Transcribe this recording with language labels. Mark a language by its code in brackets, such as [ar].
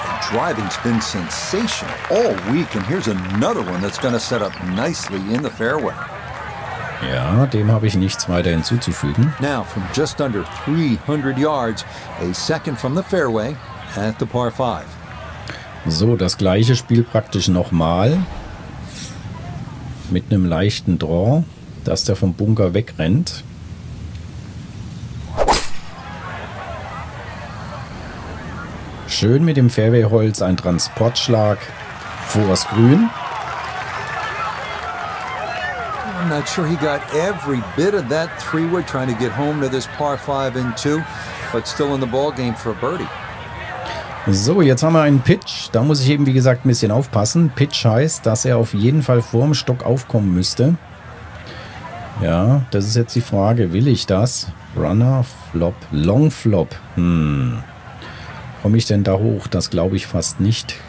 [en] Driving's been sensational all week, and here's another one that's gonna set up nicely in the fairway. [de] Ja, dem habe ich nichts weiter hinzuzufügen. [en] Now from just under 300 yards, a second from the fairway at the par 5. [de] So, das gleiche Spiel praktisch nochmal. Mit einem leichten Draw, dass der vom Bunker wegrennt. Schön mit dem Fairway-Holz ein Transportschlag vors Grün. [en] I'm not sure he got every bit of that three wood trying to get home to this par 5 in 2, but still in the ball game for a birdie. [de] So, jetzt haben wir einen Pitch. Da muss ich eben, wie gesagt, ein bisschen aufpassen. Pitch heißt, dass er auf jeden Fall vorm Stock aufkommen müsste. Ja, das ist jetzt die Frage, will ich das? Runner, Flop, Long Flop. Komme ich denn da hoch? Das glaube ich fast nicht.